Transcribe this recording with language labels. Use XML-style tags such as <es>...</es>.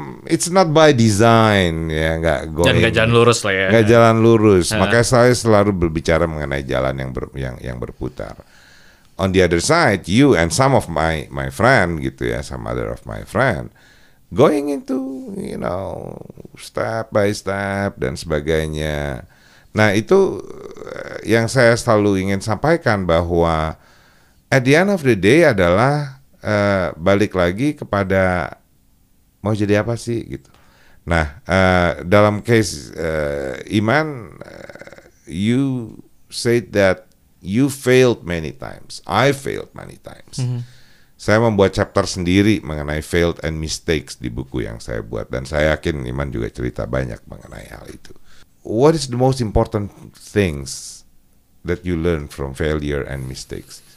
<en>It's not by design</en> <id>ya, nggak</id> <en>going.</en> <id>Jangan jalan lurus lah ya. Nggak jalan lurus. Yeah. Makanya saya selalu berbicara mengenai jalan yang ber, yang berputar.</id> <en>On the other side, you and some of my friend</en> <id>gitu ya,</id> <en>some other of my friend going into, you know, step by step</en> <id>dan sebagainya. Nah itu yang saya selalu ingin sampaikan bahwa</id> <en>at the end of the day</en> <id>adalah balik lagi kepada mau jadi apa sih gitu. Nah dalam</id> <en>case Iman, you said that you failed many times. I failed many times.</en> <id>Mm-hmm. Saya membuat chapter sendiri mengenai failed and mistakes di buku yang saya buat. Dan saya yakin Iman juga cerita banyak mengenai hal itu.</id> <en>What is the most important things that you learn from failure and mistakes?</en>